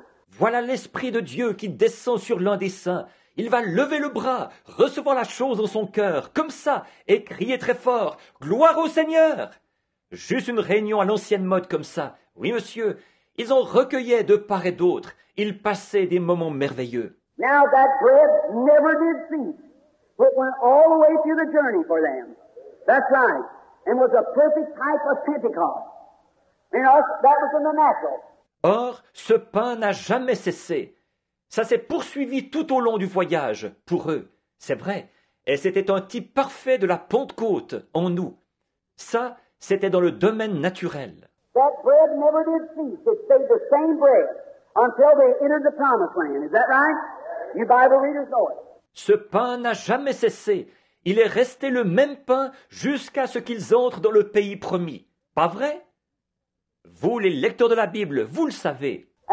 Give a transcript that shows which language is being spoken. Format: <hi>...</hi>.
<fr>Voilà l'Esprit de Dieu qui descend sur l'un des saints. Il va lever le bras, recevoir la chose dans son cœur, comme ça, et crier très fort, « Gloire au Seigneur !» Juste une réunion à l'ancienne mode comme ça. Oui, monsieur, ils en recueillaient de part et d'autre. Ils passaient des moments merveilleux.</fr> <en>Now that bread never did cease, but went all the way through the journey for them. That's right, and was a perfect type of Pentecost. And that was in the natural.</en> <fr>Or, ce pain n'a jamais cessé. Ça s'est poursuivi tout au long du voyage, pour eux, c'est vrai. Et c'était un type parfait de la Pentecôte en nous. Ça, c'était dans le domaine naturel.</fr> <en>That bread never did cease. It stayed the same bread until they entered the promised land. Is that right? You Bible readers know it.</en> <fr>Ce pain n'a jamais cessé. Il est resté le même pain jusqu'à ce qu'ils entrent dans le pays promis. Pas vrai? Vous, les lecteurs de la Bible, vous le savez.</fr>